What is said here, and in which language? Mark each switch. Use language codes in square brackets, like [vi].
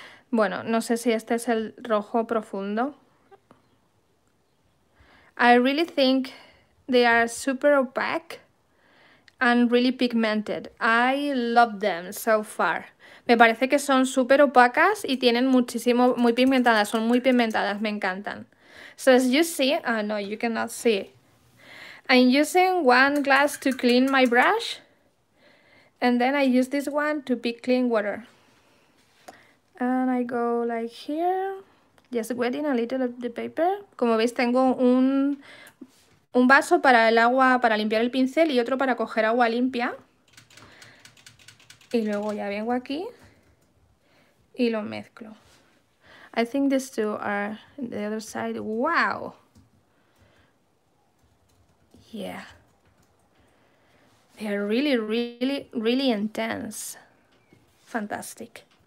[es] Bueno, no sé si este es el rojo profundo. [en] I really think they are super opaque and really pigmented. I love them so far. [es] Me parece que son super opacas y tienen muchísimo, muy pigmentadas, son muy pigmentadas, me encantan. [en] So as you see, oh no, you cannot see. I'm using one glass to clean my brush. And then I use this one to pick clean water. And I go like here, just wetting a little of the paper. [es] Como veis, tengo un vaso para el agua, para limpiar el pincel, y otro para coger agua limpia. Y luego ya vengo aquí y lo mezclo. [en] I think these two are on the other side. Wow. Yeah. They are really, really, really intense. Fantastic.